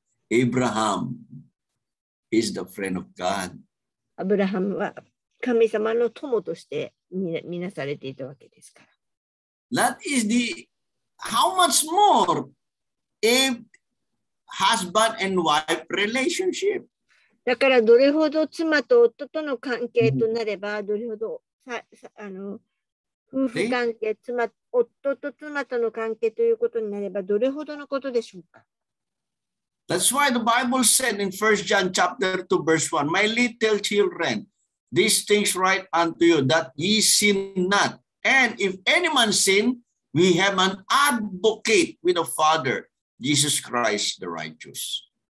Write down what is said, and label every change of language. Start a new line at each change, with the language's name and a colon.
English: Abraham is the friend of God.
Japanese: アブラハムは神様の友として見なされていたわけですから。
English: That is the how much more a husband and wife relationship.
Japanese: だからどれほど妻と夫との関係となれば、どれほどあの夫婦関係、夫と妻との関係ということになれば、どれほどのことでしょうか。
English: That's why the Bible said in 1 John chapter 2 verse 1, My little children, these things write unto you that ye sin not. And if any man sin, we have an advocate with the Father, Jesus Christ the righteous.